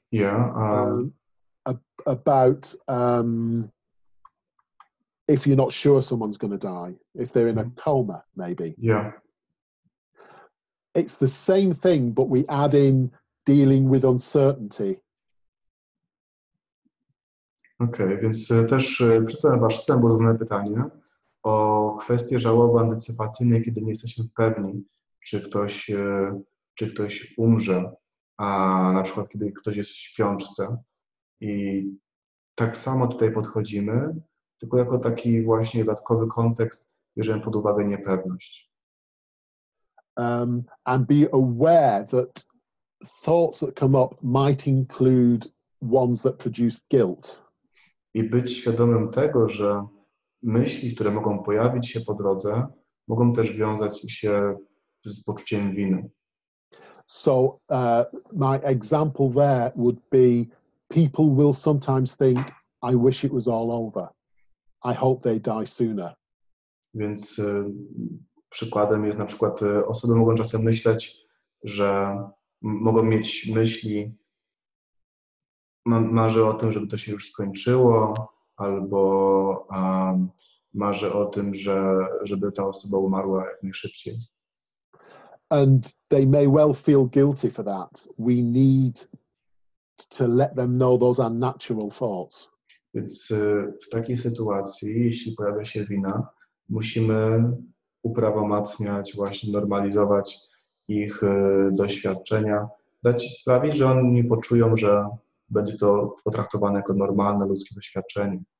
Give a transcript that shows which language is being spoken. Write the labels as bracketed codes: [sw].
[en] If you're not sure someone's going to die, if they're in a coma, maybe. Yeah. It's the same thing, but we add in dealing with uncertainty. [pl] Okay, więc też przedstawiam wasz ten błędne pytanie o kwestię żałoby antycypacyjnej, kiedy nie jesteśmy pewni, czy ktoś umrze. A na przykład, kiedy ktoś jest w śpiączce. I tak samo tutaj podchodzimy, tylko jako taki właśnie dodatkowy kontekst, bierzemy pod uwagę niepewność. [en] And be aware that thoughts that come up might include ones that produce guilt. [pl] I być świadomym tego, że myśli, które mogą pojawić się po drodze, mogą też wiązać się z poczuciem winy. [en] So my example there would be, people will sometimes think, I wish it was all over. I hope they die sooner. [pl] Więc przykładem jest na przykład, osoby mogą czasem myśleć, że mogą mieć myśli, marzę o tym, żeby to się już skończyło, albo marzę o tym, żeby ta osoba umarła jak najszybciej. [en] And they may well feel guilty for that. We need to let them know those are natural thoughts. [pl] Więc w takiej sytuacji, jeśli pojawia się wina, musimy uprawomacniać, właśnie normalizować ich doświadczenia, dać sprawić, że oni poczują, że będzie to potraktowane jako normalne ludzkie doświadczenie.